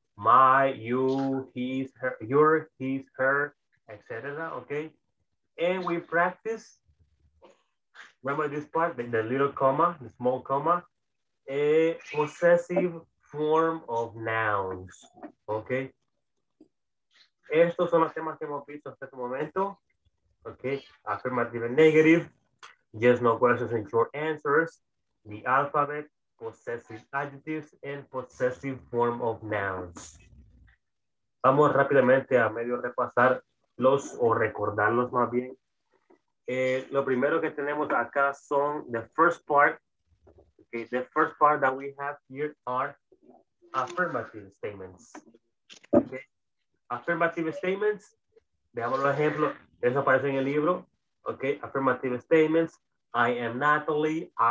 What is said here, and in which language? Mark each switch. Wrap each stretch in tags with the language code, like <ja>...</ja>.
<en>My, you, his, her, your, his, her, etc. Okay, and we practice. Remember this part, the little comma, the small comma, a possessive form of nouns. Okay.</en> <es>Estos son los temas que hemos visto hasta este momento.</es> <en>Okay, affirmative and negative, yes, no questions and short answers, the alphabet, possessive adjectives, and possessive form of nouns.</en> <es>Vamos rápidamente a medio repasar los o recordarlos más bien. Lo primero que tenemos acá son</es> <en>the first part. Okay, the first part that we have here are affirmative statements. Okay. Affirmative statements.</en> <es>Veamos los ejemplos. Eso aparece en el libro.</es> <en>Okay. Affirmative statements. I am Natalie.</en>